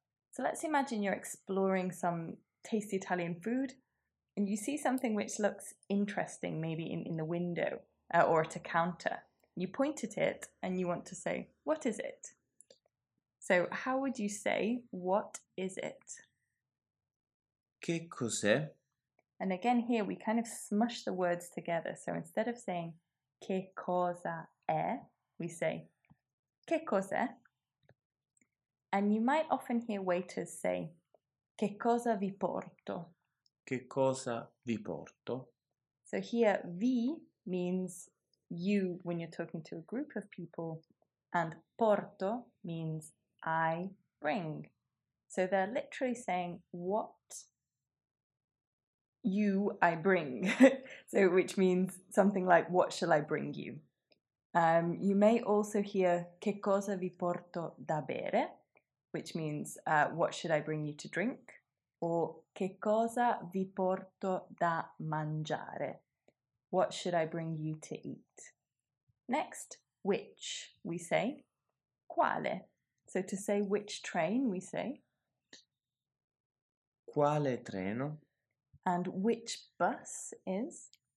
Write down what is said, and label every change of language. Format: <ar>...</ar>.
<en>So let's imagine you're exploring some tasty Italian food and you see something which looks interesting, maybe in the window or at a counter. You point at it and you want to say, what is it? So how would you say, what is it?</en> <it>Che cos'è?</it> <en>And again here we kind of smush the words together. So instead of saying,</en> <it>che cosa è,</it> <en>we say,</en> <it>che cos'è?</it> <en>And you might often hear waiters say,</en> <it>che cosa vi porto? Che cosa vi porto?</it> <en>So here, vi means you when you're talking to a group of people, and porto means I bring. So they're literally saying, what you I bring. So which means something like, what shall I bring you? You may also hear,</en> <it>che cosa vi porto da bere?</it> <en>Which means, what should I bring you to drink? Or,</en> <it>che cosa vi porto da mangiare?</it> <en>What should I bring you to eat? Next, which, we say,</en> <it>quale.</it> <en>So to say which train, we say,</en> <it>quale treno?</it> <en>And which bus is,</en>